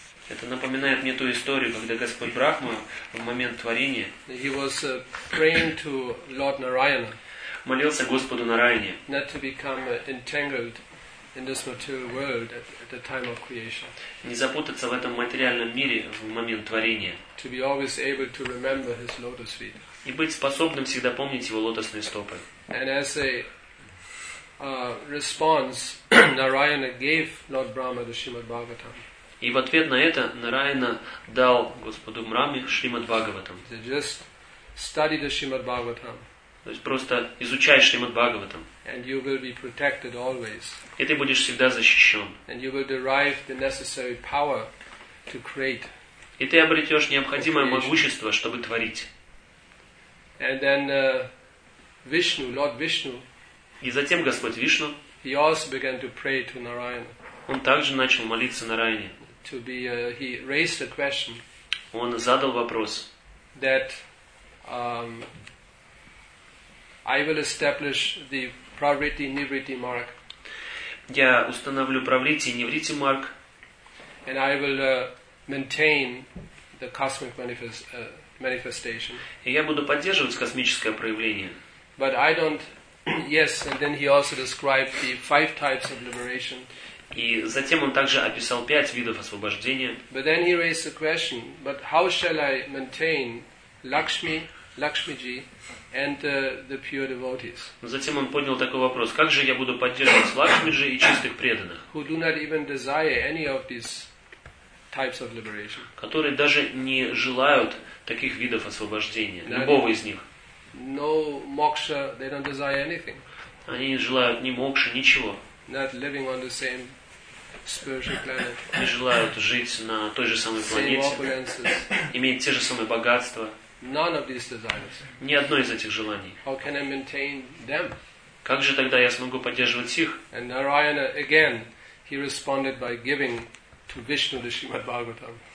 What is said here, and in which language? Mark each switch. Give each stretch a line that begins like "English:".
Russian: Это напоминает мне ту историю, когда Господь Брахма в момент творения.
English: He was praying to Lord Narayana.
Russian: Молился Господу Нараяне.
English: Not to become entangled in this material world at the time of creation.
Russian: Не запутаться в этом материальном мире в момент творения.
English: To be always able to remember his lotus feet.
Russian: И быть способным всегда помнить его лотосные стопы.
English: And as a response, Narayana gave Lord Brahma the Srimad Bhagavatam.
Russian: И в ответ на это Нараяна дал Господу Браме Шримад Бхагаватам.
English: Just study the Srimad Bhagavatam.
Russian: То есть просто изучай Шримад Бхагаватам.
English: And you will be protected always.
Russian: И ты будешь всегда защищен.
English: And you will derive the necessary power to create.
Russian: И ты обретешь необходимое могущество, чтобы творить.
English: And then Vishnu, Lord Vishnu.
Russian: И затем Господь Вишну.
English: He also began to pray to Narayana.
Russian: Он также начал молиться Нараяне.
English: To be, he raised a question.
Russian: Он задал вопрос.
English: That I will establish the pravritti nivritti mark.
Russian: Я установлю pravritti nivritti mark.
English: And I will maintain the cosmic manifestation.
Russian: И я буду поддерживать космическое проявление.
English: But I don't. Yes, and then he also described the five types of liberation.
Russian: И затем он также описал пять видов освобождения.
English: But then he raised the question, but how shall I maintain Lakshmiji and the pure devotees?
Russian: Затем он поднял такой вопрос: как же я буду поддерживать Лакшмиджи и чистых преданных?
English: Who do not even desire any of these types of liberation?
Russian: Которые даже не желают таких видов освобождения, любого из них.
English: No moksha, they don't desire anything.
Russian: Они не желают ни мокши, ничего.
English: Not living on the same spiritual planet.
Russian: Не желают жить на той же самой планете. Иметь те же самые богатства.
English: None of these desires.
Russian: Ни одно из этих желаний.
English: How can I maintain them?
Russian: Как же тогда я смогу поддерживать их?
English: And Narayana again, he responded by giving to Vishnu the Srimad Bhagavatam.